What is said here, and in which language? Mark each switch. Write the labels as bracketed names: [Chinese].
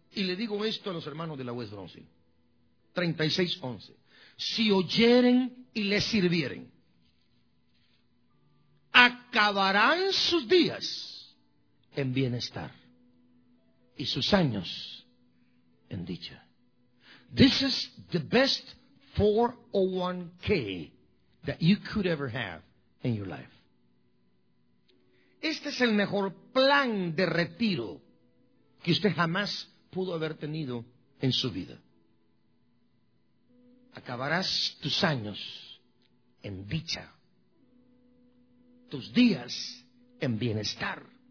[Spanish] Y le digo esto a los hermanos de la West Bronson. 36:11. Si oyeren y les sirvieren, acabarán sus días en bienestar y sus años en dicha. [English] This is the best 401k that you could ever have in your life. [Spanish] Este es el mejor plan de retiro que usted jamás pudo haber tenido en su vida. Acabarás tus años en dicha, tus días en bienestar.